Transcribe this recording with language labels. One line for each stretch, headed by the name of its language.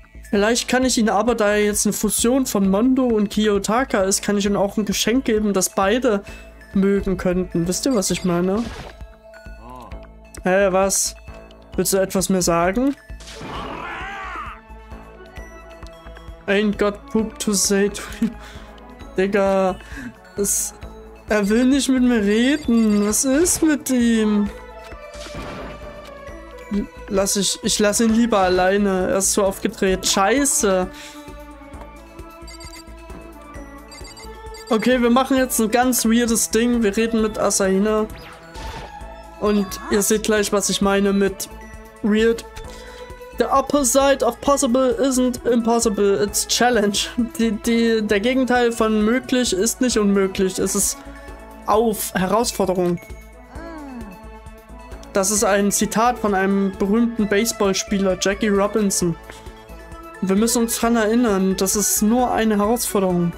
German: Vielleicht kann ich ihn aber, da er jetzt eine Fusion von Mondo und Kiyotaka ist, kann ich ihm auch ein Geschenk geben, das beide mögen könnten. Wisst ihr, was ich meine? Hä, hey, was? Willst du etwas mehr sagen?
English: Ain't got poop to say to you.
German: Digga, er will nicht mit mir reden. Was ist mit ihm? Ich lass ihn lieber alleine. Er ist so aufgedreht. Scheiße. Okay, wir machen jetzt ein ganz weirdes Ding. Wir reden mit Asahina. Und ihr seht gleich, was ich meine mit weird.
English: The opposite of possible isn't impossible. It's challenge.
German: Der Gegenteil von möglich ist nicht unmöglich. Es ist auf Herausforderung. Das ist ein Zitat von einem berühmten Baseballspieler, Jackie Robinson. Wir müssen uns daran erinnern, das ist nur eine Herausforderung.